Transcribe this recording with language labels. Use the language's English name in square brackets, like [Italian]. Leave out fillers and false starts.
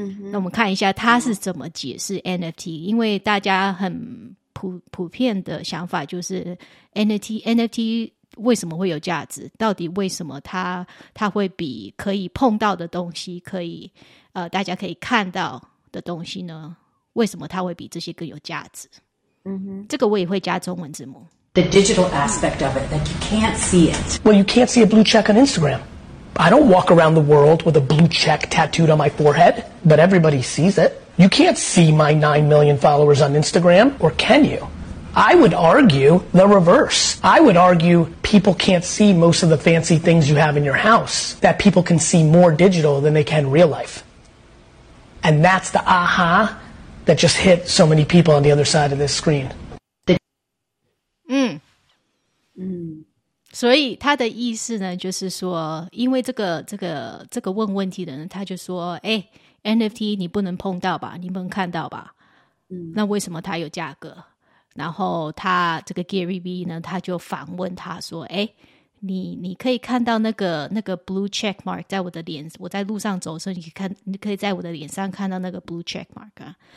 [Chinese] 那我们看一下他是怎么解释 NFT，因为大家很普遍的想法就是 NFT 为什么会有价值？到底为什么它会比可以碰到的东西，大家可以看到的东西呢？为什么它会比这些更有价值？这个我也会加中文字幕。 [English] The digital aspect of it, that you can't see it. Well, you can't see a blue check on Instagram. I don't walk around the world with a blue check tattooed on my forehead, but everybody sees it. You can't see my 9 million followers on Instagram, or can you? I would argue the reverse. I would argue people can't see most of the fancy things you have in your house, that people can see more digital than they can real life. And that's the aha. That just hit so many people on the other side of this screen. [Chinese] 所以他的意思呢，就是说，因为这个问问题的人，他就说，哎，NFT 你不能碰到吧，你不能看到吧，那为什么它有价格？然后他这个 Gary V 呢，他就反问他说，哎，你可以看到那个 blue check mark 在我的脸，我在路上走的时候，你可以在我的脸上看到那个 blue check mark 啊。